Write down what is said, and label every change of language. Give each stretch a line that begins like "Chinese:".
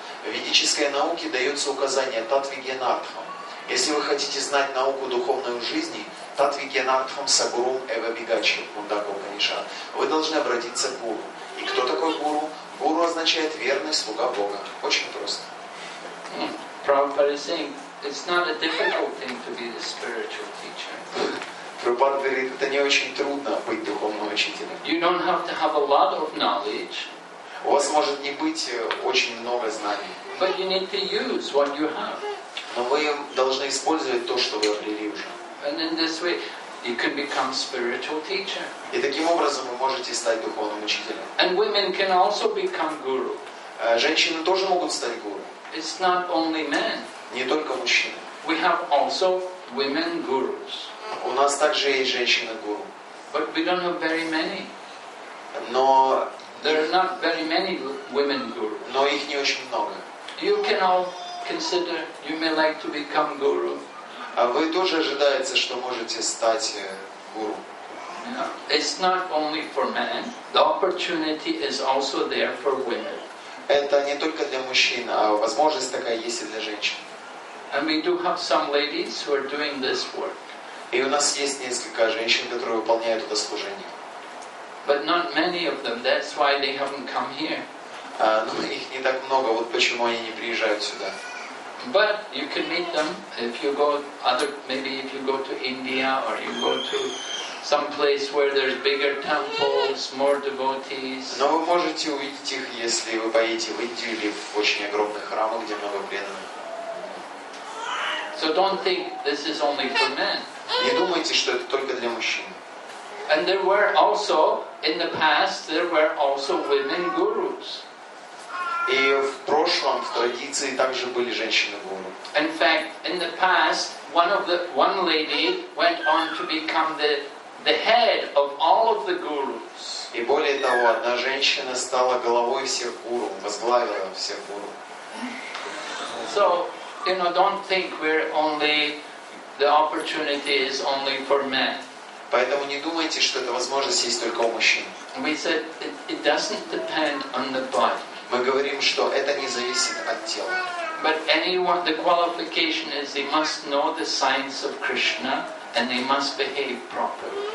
Russian: В ведической науке дается указание татвигьянартхам. Если вы хотите знать науку духовной жизни, татвигьянартхам сагурум эвабигачи, мундаку панишат, вы должны обратиться к гуру. И кто такой гуру? Гуру означает верный слуга Бога. Очень просто.
English: Prabhupada is saying, it's not a difficult thing to be the spiritual teacher.
Russian: Прабхупада говорит, это не очень трудно быть духовным учителем.
English: You don't have to have a lot of knowledge.
Russian: У вас может не быть очень много знаний.
English: But you need to use what you have.
Russian: Но вы должны использовать то, что вы обрели уже.
English: And in this way, you could become spiritual teacher.
Russian: И таким образом вы можете стать духовным учителем.
English: And women can also become guru.
Russian: Женщины тоже могут стать гуру.
English: It's not only men.
Russian: Не только мужчины.
English: We have also women gurus.
Russian: У нас также есть женщины-гуру.
English: But we don't have very many.
Russian: Но
English: there are not very many women gurus.
Russian: Но их не очень много.
English: You can all consider you may like to become guru.
Russian: А вы тоже ожидается, что можете стать гуру?
English: Yeah. It's not only for men. The opportunity is also there for women.
Russian: Это не только для мужчин, а возможность такая есть и для женщин.
English: And we do have some ladies who are doing this work.
Russian: И у нас есть несколько женщин, которые выполняют это служение.
English: But not many of them. That's why they haven't come here.
Russian: Но их не так много. Вот почему они не приезжают сюда.
English: But you can meet them if you go other maybe if you go to India or you go to some place where there's bigger temples, more devotees.
Russian: Но вы можете увидеть их, если вы поедете в Индию или в очень огромных храмах, где много преданных.
English: So don't think this is only for men.
Russian: Не думайте, что это только для мужчин.
English: And there were also in the past there were also women gurus.
Russian: И в прошлом в традиции также были женщины-гуру.
English: In fact, in the past, one lady went on to become the head of all of the gurus.
Russian: И более того, одна женщина стала головой всех гуру, возглавила всех гуру.
English: So, you know, don't think we're only the opportunity is only for men.
Russian: Поэтому не думайте, что эта возможность есть только у мужчин.
English: We said it doesn't depend on the body.
Russian: Мы говорим, что это не зависит от тела.
English: But anyone, the qualification is they must know the science of Krishna and they must behave properly.